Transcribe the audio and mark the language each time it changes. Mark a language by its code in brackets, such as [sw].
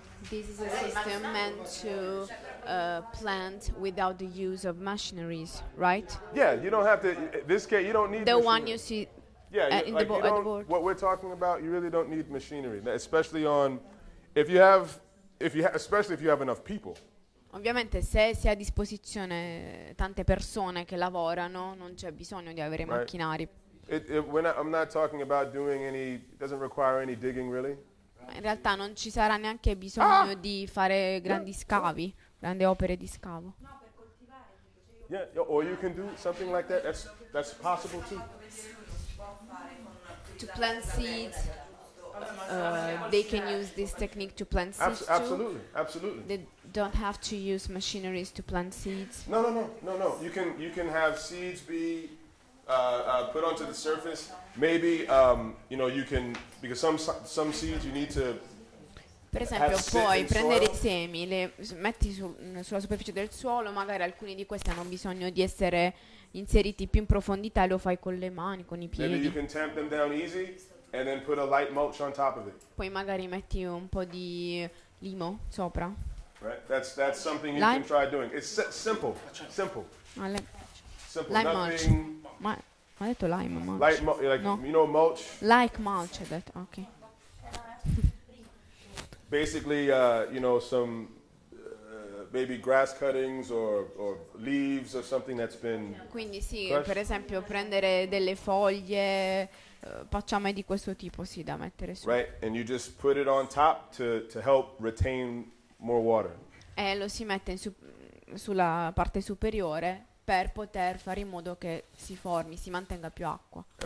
[en] This is a system meant to plant without the use of machineries, right? Yeah, you don't have to. This case, you don't need the machinery. One you see. Yeah, in like the board. What we're talking about, you really don't need machinery, especially on especially if you have enough people. [it] Ovviamente, se si ha a disposizione tante persone che lavorano, non c'è bisogno di avere macchinari. [en] I'm not talking about doing any. It doesn't require any digging, really. [it] In realtà non ci sarà neanche bisogno di fare grandi scavi, grandi opere di scavo. [en] No, [it] per coltivare. [en] Yeah, or you can do something like that. That's possible too. To plant seeds, they can use this technique to plant seeds too. Absolutely, absolutely. They don't have to use machineries to plant seeds. No. You can have seeds be put onto the surface. Maybe you know, you can, because some seeds you need to. [it] Per esempio, puoi prendere i semi, le metti sulla superficie del suolo. Magari alcuni di questi hanno bisogno di essere inseriti più in profondità. Lo fai con le mani, con i piedi. [en] Maybe you can tamp them down easy and then put a light mulch on top of it. [it] Poi magari metti un po' di limo sopra. [en] Right, that's something you can try doing. It's simple. Light mulch. [it] Ma ha detto [en] lime mulch. Light like, no. You know, mulch. Like mulch, [it] ha detto. [en] Okay. Basically, you know, some maybe grass cuttings or leaves or something that's been. [it] Quindi sì, [en] crushed. [it] Per esempio, prendere delle foglie, pacciame di questo tipo, sì, da mettere su. [en] Right, and you just put it on top to help retain more water. [it] E lo si mette sulla parte superiore. Per poter fare in modo che si formi, si mantenga più acqua.